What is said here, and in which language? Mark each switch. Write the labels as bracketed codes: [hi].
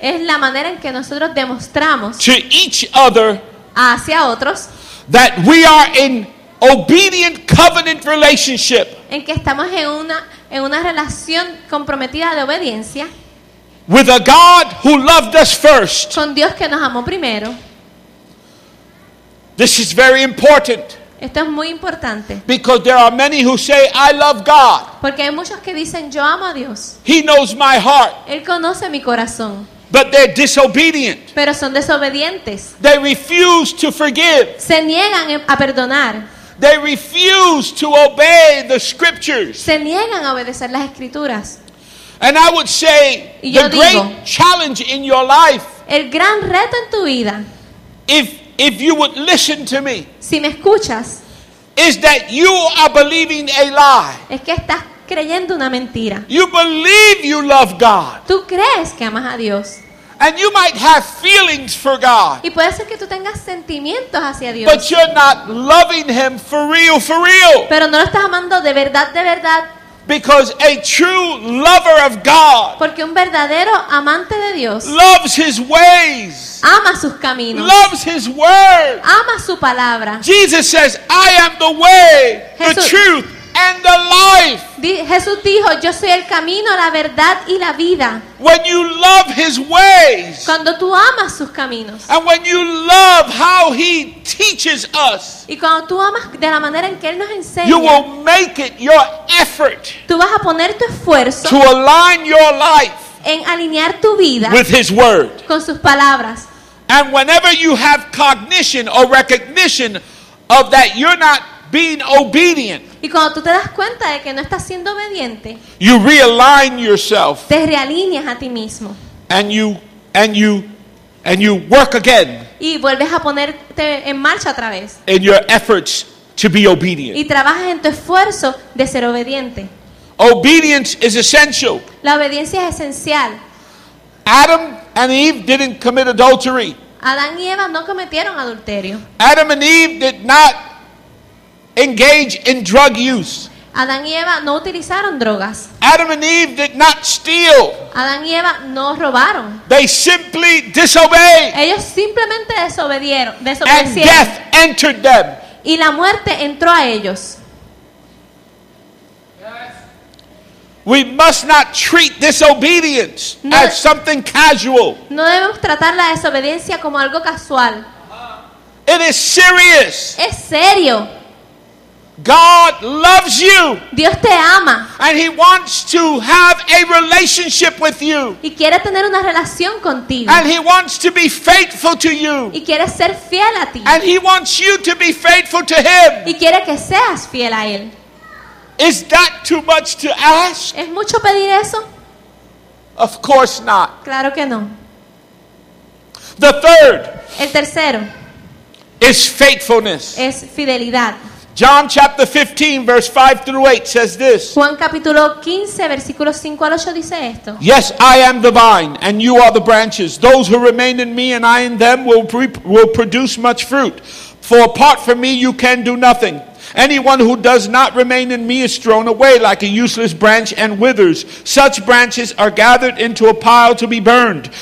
[es] Es la manera en que nosotros demostramos. [en] To each other. [es] Hacia otros. [en] That we are in obedient covenant relationship. [es] En que estamos en una relación comprometida de obediencia. [en] With a God who loved us first. [es] Con Dios que nos amó primero. [en] This is very important. [es] Esto es muy importante. [en] Because there are many who say, I love God. [es] Porque hay muchos que dicen, yo amo a Dios. [en] He knows my heart. [es] Él conoce mi corazón. [en] But they're disobedient. [es] Pero son desobedientes. [en] They refuse to forgive. [es] Se niegan a perdonar. [en] They refuse to obey the scriptures. [es] Se niegan a obedecer las escrituras. [en] And I would say the great challenge in your life. [es] El gran reto en tu vida. [en] If you would listen to me. [es] Si me escuchas. [en] Is that you are believing a lie. [es] Es que estás creyendo una mentira. [en] You believe you love God. [es] Tú crees que amas a Dios. [en] And you might have feelings for God. [es] Y puede ser que tú tengas sentimientos hacia Dios. [en] But you're not loving him for real, for real. [es] Pero no lo estás amando de verdad, de verdad. [en] Because a true lover of God, [es] porque un verdadero amante de Dios, [en] loves his ways, [es] ama sus caminos, [en] loves his word, [es] ama su palabra. [en] Jesus says, I am the way, the truth, and the life. [es] Jesús dijo, yo soy el camino, la verdad y la vida. [en] When you love his ways, [es] cuando tú amas sus caminos, [en] and when you love how he teaches us, [es] y cuando tú amas de la manera en que él nos enseña, [en] you will make it your effort, [es] tú vas a poner tu esfuerzo, [en] to align your life, [es] en alinear tu vida, [en] with his word, [es] con sus palabras. [en] And whenever you have cognition or recognition of that you're not being obedient, [es] y cuando tú te das cuenta de que no estás siendo obediente, [en] you realign yourself, [es] te realineas a ti mismo, [en] and you work again, [es] y vuelves a ponerte en marcha otra vez, [en] in your efforts to be obedient, [es] y trabajas en tu esfuerzo de ser obediente. [en] Obedience is essential. [es] La obediencia es esencial. [en] Adam and Eve didn't commit adultery. [es] Adán y Eva no cometieron adulterio. [en] Adam and Eve did not engage in drug use. [es] Adán y Eva no utilizaron drogas. [en] Adam and Eve did not steal. [es] Adán y Eva no robaron. [en] They simply disobeyed. [es] Ellos simplemente desobedieron. [en] And death entered them. [es] Y la muerte entró a ellos. [en] We must not treat disobedience as something casual. [es] No debemos tratar la desobediencia como algo casual. [en] It is serious. [es] Es serio. [en] God loves you. [es] Dios te ama. [en] And he wants to have a relationship with you. [es] Y quiere tener una relación contigo. [en] And he wants to be faithful to you. [es] Y quiere ser fiel a ti. [en] And he wants you to be faithful to him. [es] Y quiere que seas fiel a él. [en] Is that too much to ask? [es] ¿Es mucho pedir eso? [en] Of course not. [es] Claro que no. [en] The third. [es] El tercero. [en] Is faithfulness. [es] Es fidelidad. [en] John chapter 15 verse 5 through 8 says this. [es] Juan capítulo 15 versículos 5 al 8 dice esto. [en] Yes, I am the vine and you are the branches. Those who remain in me and I in them will produce much fruit. For apart from me you can do nothing. Anyone who does not remain in me is thrown away like a useless branch and withers. Such branches are gathered into a pile to be burned.